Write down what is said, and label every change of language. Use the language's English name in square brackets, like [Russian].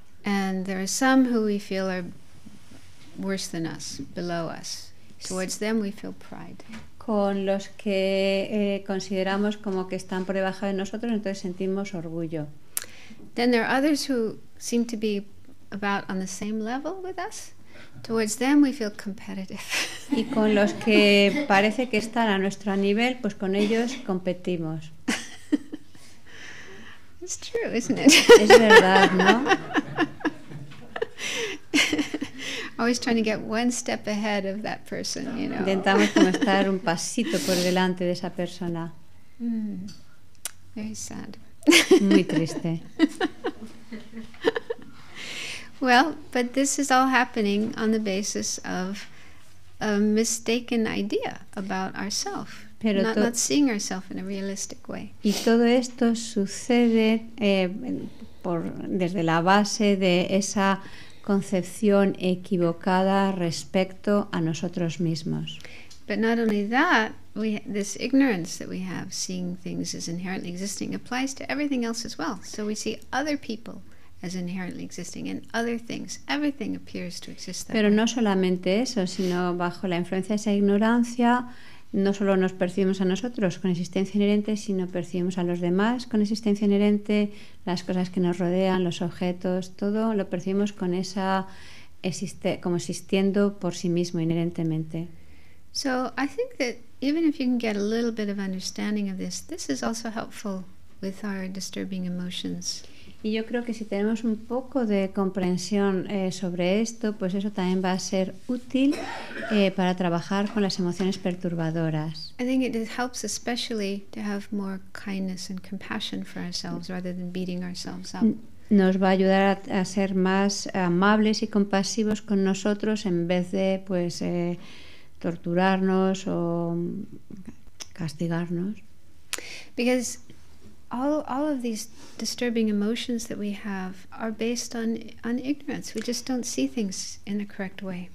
[English] And there are some who we feel are worse than us, below us. Towards them we feel pride. [Spanish] Con los que consideramos como que están por debajo de nosotros, entonces sentimos orgullo. [English] Then there are others who seem to be about on the same level with us. Towards them we feel competitive. [Spanish] Y con los que parece que están a nuestro nivel, pues con ellos competimos. [English] It's true, isn't it? [Spanish] Es verdad, ¿no? [English] always trying to get one step ahead of that person, you know. [Spanish] Intentamos como estar un pasito por delante de esa persona. [English] Mm. Very sad. [Spanish] Muy triste. [English] Well, but this is all happening on the basis of a mistaken idea about ourselves. [Spanish] Pero [English] not seeing ourselves in a realistic way. [Spanish] Y todo esto sucede desde la base de esa concepción equivocada respecto a nosotros mismos. [English] But not only that, this ignorance that we have, seeing things as inherently existing, applies to everything else as well. So we see other people as inherently existing and other things. Everything appears to exist that [Spanish] Pero [English] way. [Spanish] No solamente eso, sino bajo la influencia de esa ignorancia. No solo nos percibimos a nosotros con existencia inherente, sino percibimos a los demás con existencia inherente, las cosas que nos rodean, los objetos, todo lo percibimos con esa como existiendo por sí mismo inherentemente. [English] So, I think that even if you can get a little bit of understanding of this, this is also helpful with our disturbing emotions. [Spanish] Y yo creo que si tenemos un poco de comprensión sobre esto, pues eso también va a ser útil para trabajar con las emociones perturbadoras. [English] I think it helps especially to have more kindness and compassion for ourselves rather than beating ourselves up. [Spanish] Nos va a ayudar a ser más amables y compasivos con nosotros en vez de pues torturarnos o castigarnos. [English] Because All of these disturbing emotions that we have are based on ignorance. We just don't see things in the correct way.